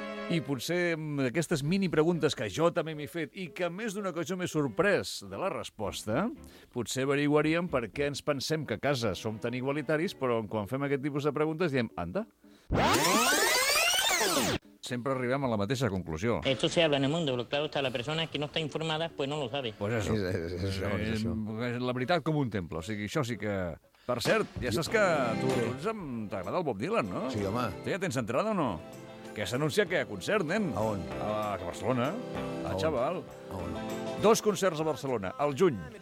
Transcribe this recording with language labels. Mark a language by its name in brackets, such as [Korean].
[Catalan] I potser aquestes mini-preguntes que jo també m'he fet i que més d'una cosa m'he sorprès de la resposta, potser averiguaríem per què ens pensem que a casa som tan igualitaris, però quan fem aquest tipus de preguntes diem, anda. Sempre arribem a la mateixa conclusió. [Spanish] Esto se habla en el mundo, pero claro, está la persona que no está informada, pues no lo sabe. Pues eso. [Catalan] Es la veritat com un temple, o sigui, això sí que... Per cert, ja saps que tu t'agrada el Bob Dylan, no? Sí, home. Tu ja tens entrada o no? Que s'ha anunciat que hi ha concert, nen. A on? A Barcelona. A Xaval. A on? Dos concerts a Barcelona, al juny.